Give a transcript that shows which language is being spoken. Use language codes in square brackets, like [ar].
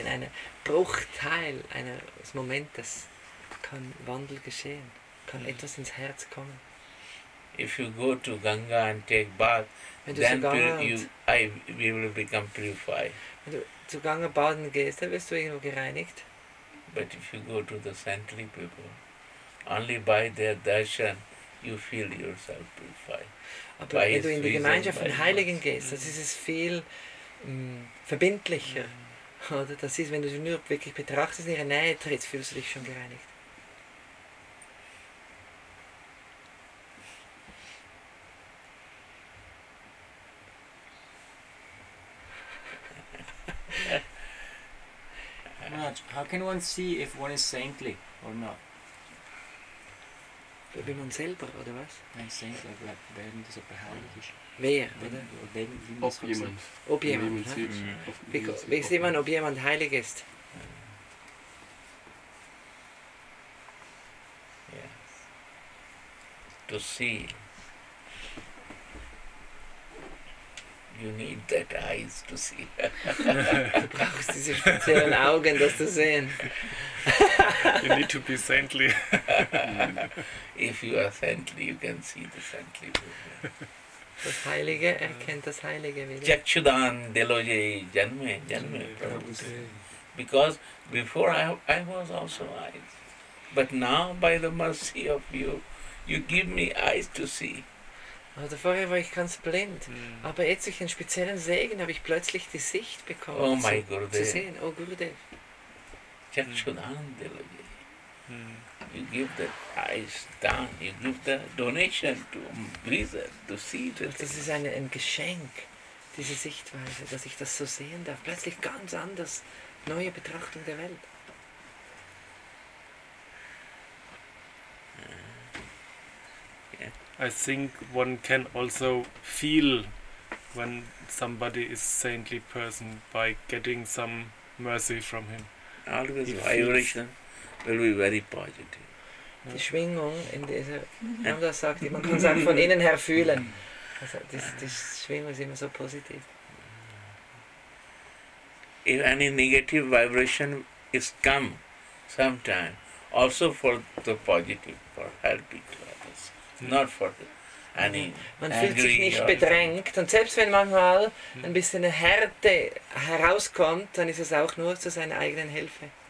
[de] In einem Bruchteil eines Momentes kann Wandel geschehen, kann etwas ins Herz kommen. [en] If you go to Ganga and take bath, then we will become purified. [de] Wenn du zu Ganga baden gehst, dann wirst du irgendwo gereinigt. [en] But if you go to the saintly people, only by their darshan, you feel yourself purified. [de] Aber wenn du in die Gemeinschaft von Heiligen gehst, das ist es viel verbindlicher. Oder das ist, wenn du sie nur wirklich betrachtest, in ihre Nähe trittst, fühlst du dich schon gereinigt. [en] Maharaj, how can one see if one is saintly or not? [de] Wie man selber, oder was? Nein, saintly, aber werden das ob heilig ist. Wer, oder? Ob jemand. Wie sieht man, ob jemand heilig ist? [en] Yes. To see. You need that eyes to see. [de] Du brauchst diese speziellen Augen, das zu sehen. [en] You need to be saintly. If you are saintly, you can see the saintly. [de] Das Heilige erkennt das Heilige wieder. [bn] Chakshudan deloje janme janme. [en] Because before I was also eyes, but now by the mercy of you give me eyes to see. [de] Also vorher war ich ganz blind, aber jetzt durch einen speziellen Segen habe ich plötzlich die Sicht bekommen, [en] oh my Gurudev, [de] zu sehen. Oh Gurudev. [bn] Chakshudan deloje. [en] You give the eyes down, you give the donation to reason, to see the thing. [de] Das ist ein Geschenk, diese Sichtweise, dass ich das so sehen darf. Plötzlich ganz anders, neue Betrachtung der Welt. [en] Yeah. I think one can also feel when somebody is a saintly person by getting some mercy from him. All this vibration will be very positive. [de] Die Schwingung in dieser, Ramdas sagt, man kann es auch von innen her fühlen. Also die Schwingung ist immer so positiv. [en] If any negative vibration is come sometime, also for the positive, for helping to others, not for the any. [de] Man fühlt sich nicht bedrängt und selbst wenn manchmal ein bisschen eine Härte herauskommt, dann ist es auch nur zu seiner eigenen Hilfe.